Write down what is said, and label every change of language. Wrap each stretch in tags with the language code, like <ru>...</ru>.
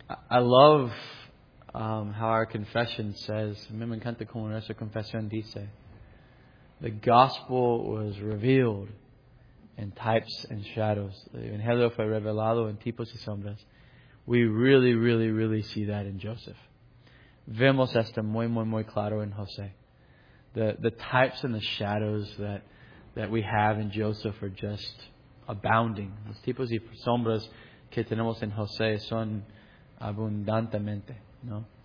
<en>I love how our confession says,</en> <es>me encanta como nuestra confesión dice,</es> <en>the gospel was revealed in types and shadows.</en> <es>El evangelio fue revelado en tipos y sombras.</es> <en>We really, really, really see that in Joseph.</en> <es>Vemos esto muy, muy, muy claro en José.</es> <en>The types and the shadows that we have in Joseph are just abounding.</en> <es>Los tipos y sombras que tenemos en José son abundantemente, ¿no?</es>